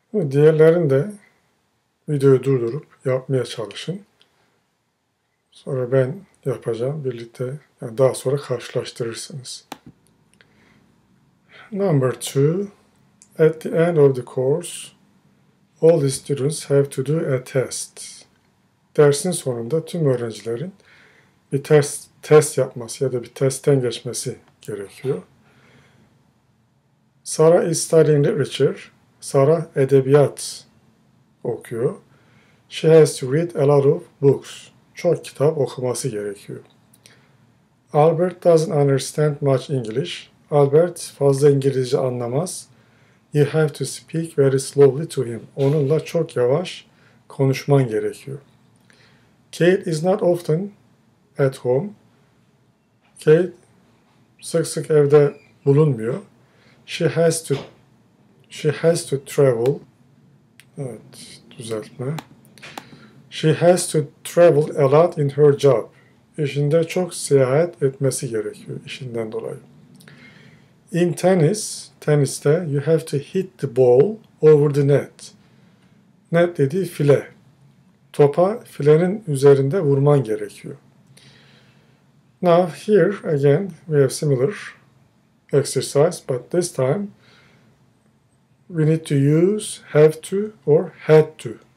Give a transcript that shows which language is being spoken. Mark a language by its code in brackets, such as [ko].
[tr] Diğerlerini de videoyu durdurup yapmaya çalışın. Sonra ben yapacağım. Birlikte yani daha sonra karşılaştırırsınız. [en] Number two. At the end of the course, all the students have to do a test. [tr] Dersin sonunda tüm öğrencilerin bir test yapması ya da bir testten geçmesi gerekiyor. [en] Sarah is studying literature. [tr] Sarah edebiyat okuyor. [en] She has to read a lot of books. [tr] Çok kitap okuması gerekiyor. [en] Albert doesn't understand much English. [tr] Albert fazla İngilizce anlamaz. [en] You have to speak very slowly to him. [tr] Onunla çok yavaş konuşman gerekiyor. [en] Kate is not often at home. [tr] Kate sık sık evde bulunmuyor. [en] She has to travel. [tr] Evet, düzeltme. [en] She has to travel a lot in her job. [tr] İşinde çok seyahat etmesi gerekiyor işinden dolayı. [en] In tennis, [tr] teniste [en] you have to hit the ball over the net. [tr] Net dediği file. Topa filenin üzerinde vurman gerekiyor. [en] Now here again we have similar exercise, but this time we need to use have to or had to.